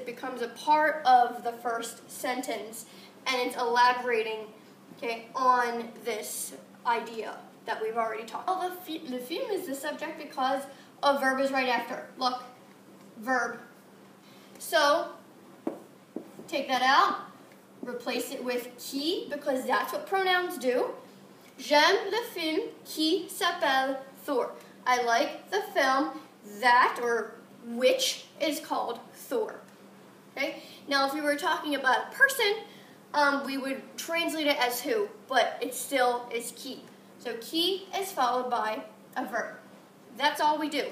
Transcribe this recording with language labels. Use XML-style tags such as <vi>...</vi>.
<en>It becomes a part of the first sentence, and it's elaborating, okay, on this idea that we've already talked. Well, the film is the subject because a verb is right after. Look, verb. So, take that out, replace it with qui, because that's what pronouns do.</en> <fr>J'aime le film qui s'appelle Thor.</fr> <en>I like the film that, or which, is called Thor. Okay? Now, if we were talking about a person, we would translate it as who, but it still is qui. So qui is followed by a verb. That's all we do.</en>